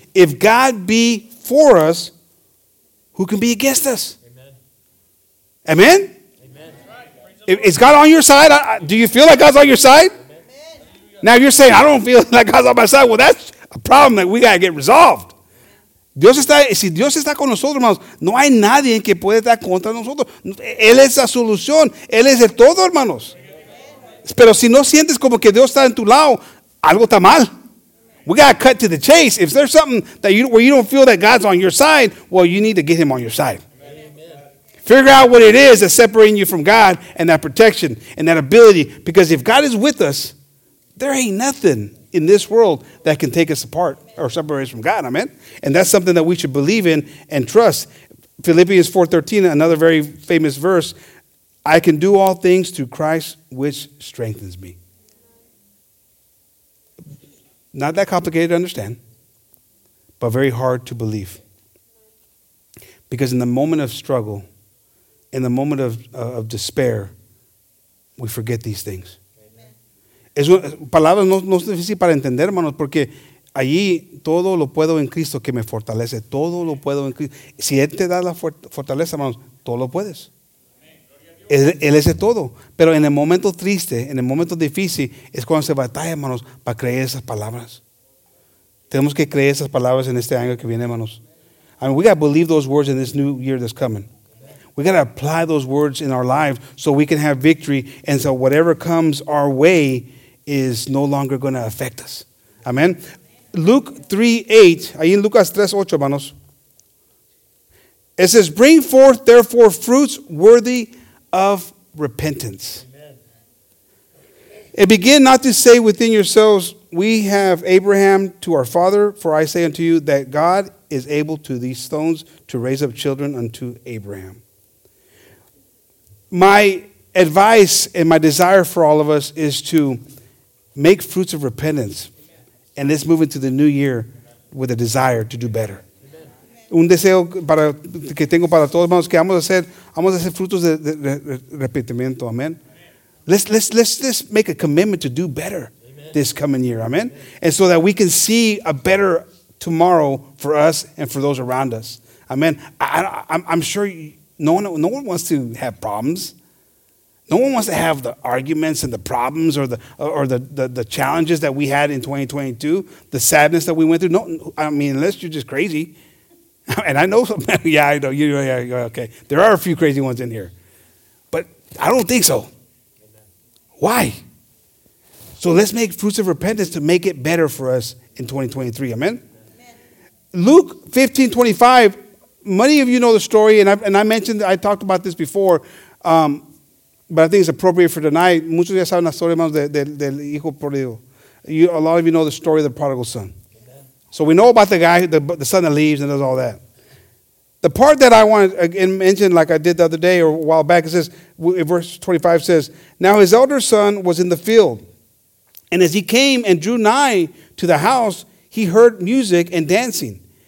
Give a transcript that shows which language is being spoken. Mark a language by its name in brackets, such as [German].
[English] If God be for us, who can be against us?" Amen. Amen. Amen. Right. Is God on your side? Do you feel like God's on your side? Amen. Now you're saying, "I don't feel like God's on my side." Well, that's a problem that we got to get resolved. [Spanish] Dios está, si Dios está con nosotros, hermanos, no hay nadie que pueda estar contra nosotros. Él es la solución. Él es el todo, hermanos. Pero si no sientes como que Dios está en tu lado, algo está mal. [English] We got to cut to the chase. If there's something that where you don't feel that God's on your side, well, you need to get him on your side. Amen. Figure out what it is that's separating you from God and that protection and that ability. Because if God is with us, there ain't nothing in this world that can take us apart or separate us from God, amen? And that's something that we should believe in and trust. Philippians 4:13, another very famous verse, "I can do all things through Christ which strengthens me." Not that complicated to understand, but very hard to believe. Because in the moment of struggle, in the moment of despair, we forget these things. [Spanish] Es una palabra no es difícil para entender, hermanos, porque allí todo lo puedo en Cristo que me fortalece. Todo lo puedo en Cristo. Si Él te da la fortaleza, hermanos, todo lo puedes. Él es el todo. Pero en el momento triste, en el momento difícil, es cuando se batalla, hermanos, para creer esas palabras. Tenemos que creer esas palabras en este año que viene, hermanos. [English] I mean, we got to believe those words in this new year that's coming. We got to apply those words in our lives so we can have victory. And so whatever comes our way is no longer going to affect us. Amen. Luke 3:8. [Spanish] Ahí en Lucas 3:8, hermanos. [English] It says, "Bring forth therefore fruits worthy of repentance." Amen. "And begin not to say within yourselves, we have Abraham to our father. For I say unto you that God is able to these stones to raise up children unto Abraham." My advice and my desire for all of us is to make fruits of repentance. Amen. And let's move into the new year with a desire to do better. Amen. [Spanish] Un deseo para que tengo para todos, hermanos, que vamos a hacer frutos de arrepentimiento. [English] Amen. Let's make a commitment to do better. Amen. This coming year. Amen. And so that we can see a better tomorrow for us and for those around us. Amen. I'm sure no one wants to have problems. No one wants to have the arguments and the problems or the challenges that we had in 2022, the sadness that we went through. No, I mean, unless you're just crazy. And I know some. Yeah, I know. Yeah, okay. There are a few crazy ones in here. But I don't think so. Why? So let's make fruits of repentance to make it better for us in 2023. Amen? Amen. Luke 15:25, many of you know the story, and I talked about this before, but I think it's appropriate for tonight. [Spanish] Muchos ya saben la historia, hermanos, del hijo perdido. [English] A lot of you know the story of the prodigal son. So we know about the guy, the son that leaves and does all that. The part that I want to mention, like I did the other day or a while back, it says, verse 25 says, "Now his elder son was in the field, and as he came and drew nigh to the house, he heard music and dancing.